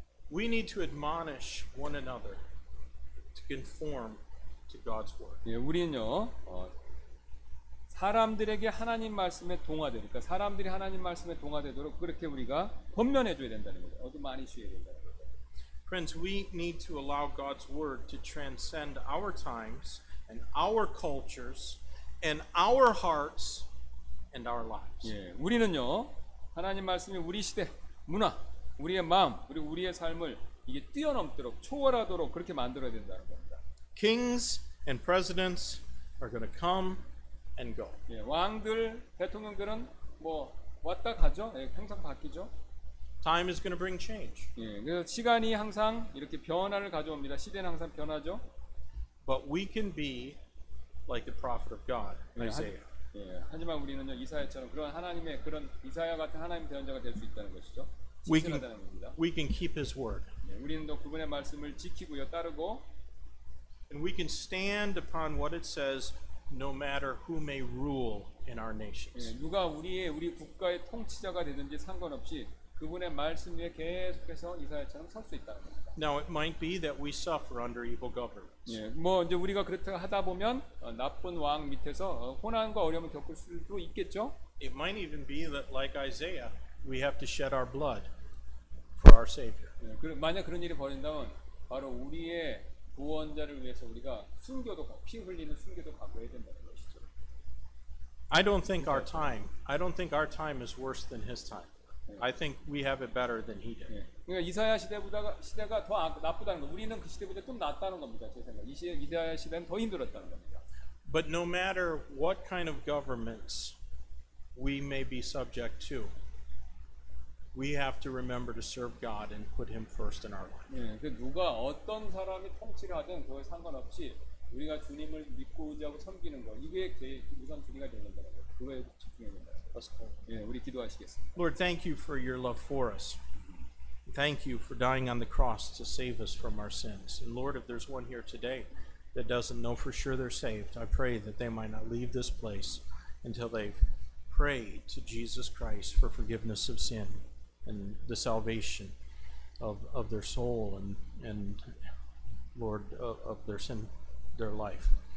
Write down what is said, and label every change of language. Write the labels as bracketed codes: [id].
[en] We need to admonish one another to conform to God's word. [ko] 예, 우리는요 사람들에게 하나님 말씀에 동화되니까 그러니까 사람들이 하나님 말씀에 동화되도록 그렇게 우리가 권면해줘야 된다는 거죠. 어드마니쉬해야 된다는 거죠. [en] Friends, we need to allow God's word to transcend our times and our cultures. And our hearts and our lives. [ko] 예, 우리는요 하나님 말씀이 우리 시대 문화 우리의 마음 그리고 우리의 삶을 이게 뛰어넘도록 초월하도록 그렇게 만들어야 된다는 겁니다. [en] Kings and presidents are going to come and go. [ko] 예, 왕들 대통령들은 뭐 왔다 가죠. 예, 항상 바뀌죠. [en] Time is going to bring change. [ko] 예, 그래서 시간이 항상 이렇게 변화를 가져옵니다. 시대는 항상 변하죠. [en] But we can be like the prophet of God, Isaiah. [ko] 예, 하지만 우리는요 이사야처럼 그런 하나님의 그런 이사야 같은 하나님 대언자가 될 수 있다는 것이죠. [en] We can keep His word. [ko] 예, 우리는 또 그분의 말씀을 지키고요 따르고. [en] And we can stand upon what it says, no matter who may rule in our nations. [ko] 예, 누가 우리 국가의 통치자가 되든지 상관없이 그분의 말씀 위에 계속해서 이사야처럼 설 수 있다는 겁니다. [en] Now it might be that we suffer under evil governments. [ko] 예, 뭐 이제 우리가 그렇다 하다 보면 나쁜 왕 밑에서 고난과 어려움을 겪을 수도 있겠죠. [en] It might even be that, like Isaiah, we have to shed our blood for our Savior. [ko] 예, 만약 그런 일이 벌인다면 바로 우리의 구원자를 위해서 우리가 순교도 피 흘리는 순교도 각오해야 된다는 것이죠. [en] I don't think our time is worse than His time. I think we have it better than he did. [ko] 그러니까 이사야 시대가 더 나쁘다는 거. 우리는 그 시대보다 좀 낫다는 겁니다. 제 생각. 이사야 시대는 더 힘들었다는 겁니다. [en] But no matter what kind of governments we may be subject to, we have to remember to serve God and put him first in our life. [ko] 예, 누가 어떤 사람이 통치를 하든 그에 상관없이 우리가 주님을 믿고 의지하고 섬기는 거 이게 제일 우선 주의가 되는 거라고 그거에 집중해야 된다. 예, 우리 기도하시겠습니다. [en] Lord, thank you for your love for us. Thank you for dying on the cross to save us from our sins. And Lord, if there's one here today that doesn't know for sure they're saved, I pray that they might not leave this place until they've prayed to Jesus Christ for forgiveness of sin and the salvation of their soul and Lord, of their sin, their life.